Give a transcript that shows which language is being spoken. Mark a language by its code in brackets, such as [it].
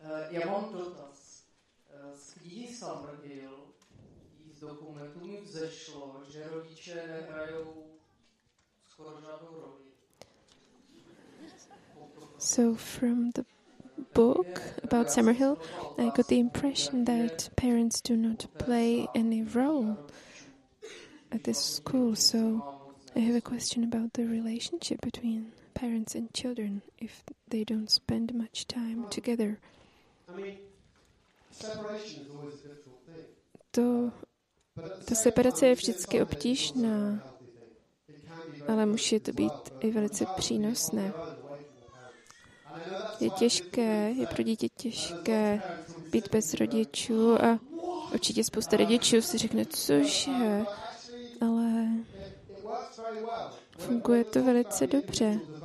[cs] Já mám dotaz. Z knihy Summerhill, z dokumentu mi vzešlo, že rodiče nehrajou skoro žádnou roli. [en] So from the book about Summerhill, I got the impression that parents do not play any role at this school. So I have a question about the relationship between parents and children if they don't spend much time together. I mean, separation is always a difficult thing. [cs] To separace je vždycky obtížná, ale musí to být i velice přínosné. Je těžké, je pro dítě těžké být bez rodičů a určitě spousta rodičů si řekne, cože, ale funguje to velice dobře.